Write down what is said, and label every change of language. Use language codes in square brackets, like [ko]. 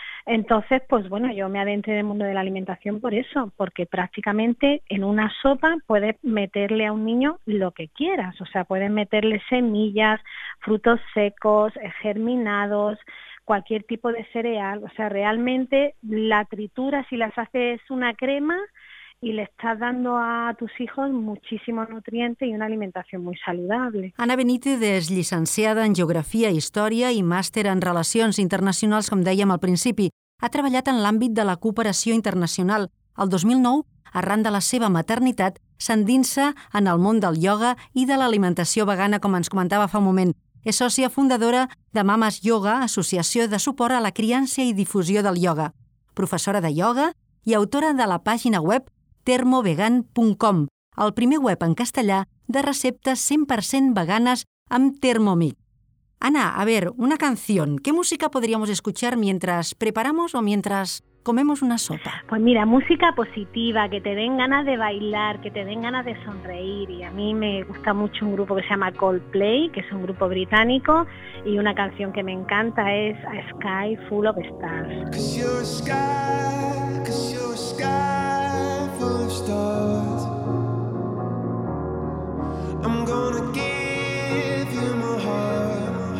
[es] Entonces, pues bueno, yo me adentré en el mundo de la alimentación por eso, porque prácticamente en una sopa puedes meterle a un niño lo que quieras, o sea, puedes meterle semillas, frutos secos, germinados, cualquier tipo de cereal, o sea, realmente la tritura, si las haces una crema, y le estás dando a tus hijos muchísimos nutrientes y una alimentación muy saludable. [ca] Anna Benítez és llicenciada en Geografia i Història i màster en Relacions Internacionals, com dèiem al principi. Ha treballat en l'àmbit de la cooperació internacional. El 2009, arran de la seva maternitat, s'endinsa en el món del ioga i de l'alimentació vegana, com ens comentava fa un moment. És sòcia fundadora de Mamas Yoga, associació de suport a la criança i difusió del ioga, professora de ioga i autora de la pàgina web termovegan.com, el primer web en castellà de receptes 100% veganes amb Thermomix. [es] Anna, a ver, una canción. ¿Qué música podríamos escuchar mientras preparamos o mientras comemos una sopa? Pues mira, música positiva, que te den ganas de bailar, que te den ganas de sonreír. Y a mí me gusta mucho un grupo que se llama Coldplay, que es un grupo británico, y una canción que me encanta es A Sky Full of Stars. [en] 'Cause you're a sky, 'cause you're a sky full of stars. I'm gonna give you my heart.